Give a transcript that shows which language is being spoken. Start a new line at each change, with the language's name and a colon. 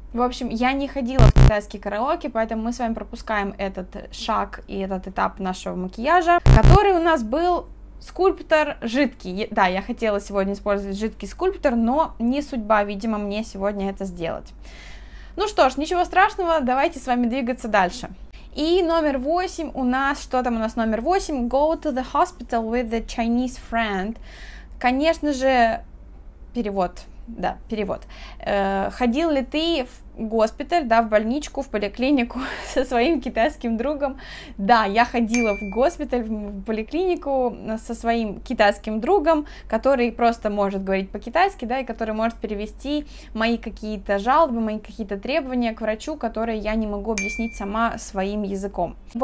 Russian: В общем, я не ходила в китайские караоке, поэтому мы с вами пропускаем этот шаг и этот этап нашего макияжа, который у нас был скульптор жидкий. Да, я хотела сегодня использовать жидкий скульптор, но не судьба, видимо, мне сегодня это сделать. Ну что ж, ничего страшного, давайте с вами двигаться дальше. И номер 8 у нас, что там у нас номер 8?
English: Go to the hospital with a Chinese friend.
Russian: Конечно же, перевод. Да, перевод. Ходил ли ты в госпиталь, да, в больничку, в поликлинику со своим китайским другом? Да, я ходила в госпиталь, в поликлинику со своим китайским другом, который просто может говорить по-китайски, да, и который может перевести мои какие-то жалобы, мои какие-то требования к врачу, которые я не могу объяснить сама своим языком.